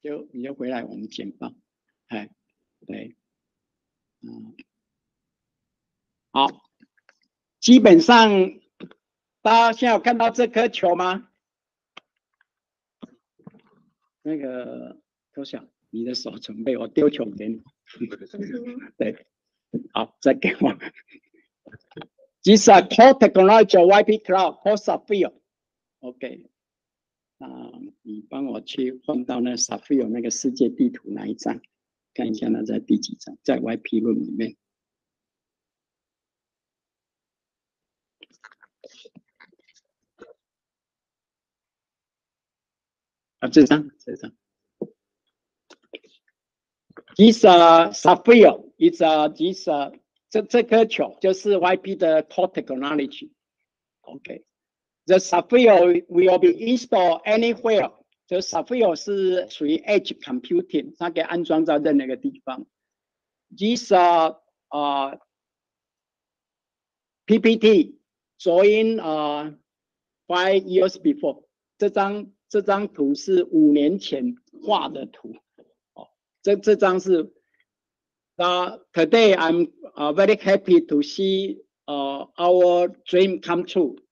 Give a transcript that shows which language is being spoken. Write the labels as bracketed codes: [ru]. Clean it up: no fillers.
[zh] 你就回来我们简报，哎，对，嗯，好，基本上大家现在有看到这颗球吗？那个都想你的手准备，我丢球给你。对，好，再给我。 [en] This is a core technology of YP Cloud, core software. [zh] OK. 你帮我去换到那 Sapphire 那个世界地图哪一张，看一下那在第几张，在 YP Room 里面。啊，这张，这张。 [en] This Sapphire is this [zh] 这颗球就是 YP 的 [en] core technology。OK。 The Sapphire will be installed anywhere. The Sapphire [zh] 是属于 [en] edge computing， [zh] 它可以安装在任何个地方。 [en] This PPT join five years before. [zh] 这张图是五年前画的图。哦，这张是。 [en] Today I'm very happy to see our dream come true.